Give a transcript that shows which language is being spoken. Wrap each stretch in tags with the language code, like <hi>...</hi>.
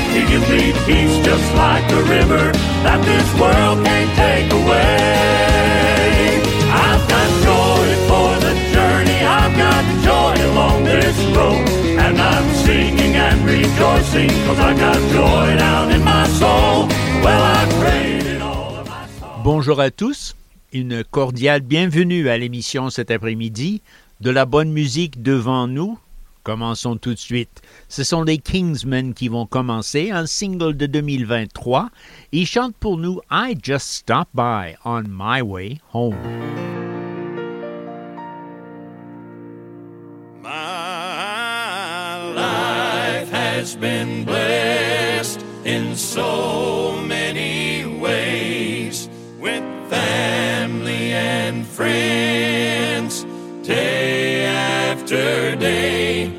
<en>He gives me peace just like a river that this world can't take away. I've got joy for the journey, I've got joy along this road. And I'm singing and rejoicing, cause I got joy down in my soul. Well, I pray.</en> <fr>Bonjour à tous, une cordiale bienvenue à l'émission cet après-midi. De la bonne musique devant nous, commençons tout de suite. Ce sont les Kingsmen qui vont commencer, un single de 2023. Ils chantent pour nous «</fr> <en>I just stopped by on my way home ». My life has been blessed in so many ways. With family and friends, day after day.</en>